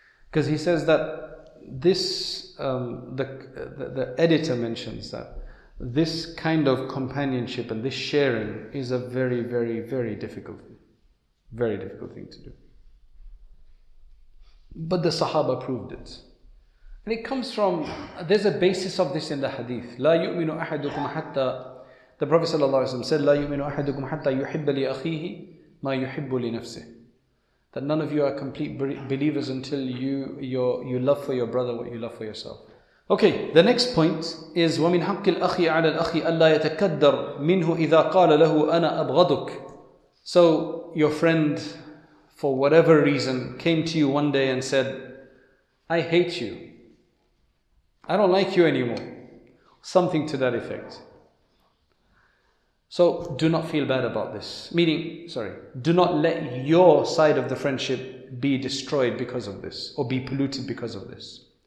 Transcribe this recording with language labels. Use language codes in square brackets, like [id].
[en] Because he says that this, the editor mentions that, this kind of companionship and this sharing is a very, very, very difficult thing. Very difficult thing to do. But the Sahaba proved it. And it comes from, there's a basis of this in the hadith. [ar] لا يؤمن أحدكم حتى, [en] the Prophet ﷺ said, [ar] لا يؤمن أحدكم حتى يحب لأخيه ما يحب لنفسه. [en] That none of you are complete believers until you love for your brother what you love for yourself. Okay, the next point is [ar] وَمِنْ حَقِّ الْأَخِي عَلَى الْأَخِي أَلَّا يَتَكَدَّرْ مِنْهُ إِذَا قَالَ لَهُ أَنَا أَبْغَضُكَ. [en] So your friend, for whatever reason, came to you one day and said, I hate you. I don't like you anymore. Something to that effect. So do not feel bad about this. Do not let your side of the friendship be destroyed because of this, or be polluted because of this.